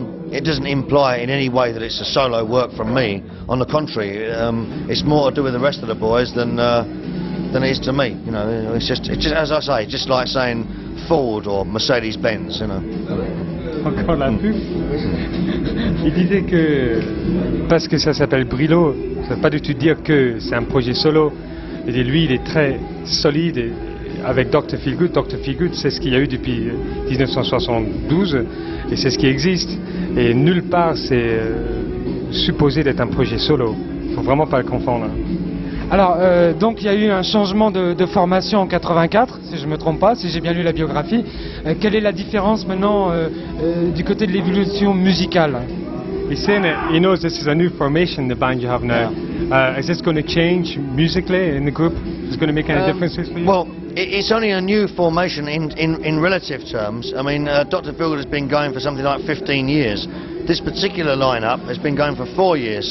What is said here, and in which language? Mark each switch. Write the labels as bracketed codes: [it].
[en] It doesn't imply in any way that it's a solo work from me. On the contrary, it's more to do with the rest of the boys than it is to me. You know, it's just as I say, just like saying Ford or Mercedes-Benz, you know. [fr] Encore la pub. Il disait que parce que ça s'appelle Brillo, ça veut pas du tout dire que c'est un projet solo. Et lui, il est très solide et avec Dr. Feelgood. Dr. Feelgood, c'est ce qu'il y a eu depuis 1972 et c'est ce qui existe. Et nulle part, c'est supposé d'être un projet solo. Il ne faut vraiment pas le confondre. Alors, donc, il y a eu un changement de formation en 84, si je ne me trompe pas, si j'ai bien lu la biographie. Quelle est la différence maintenant du côté de l'évolution musicale? [en] He's saying that he knows this is a new formation, the band you have now. Yeah. Is this going to change musically in the group? Is it going to make any differences for you? Well, it's only a new formation in relative terms. I mean, Dr. Feelgood has been going for something like 15 years. This particular lineup has been going for 4 years.